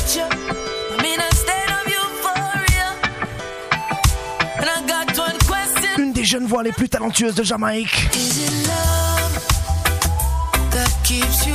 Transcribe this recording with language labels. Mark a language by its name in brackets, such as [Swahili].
[English] I'm in a state of euphoria, and I got one question. [French] Une des jeunes voix les plus talentueuses de Jamaïque. [English] Is it love that keeps you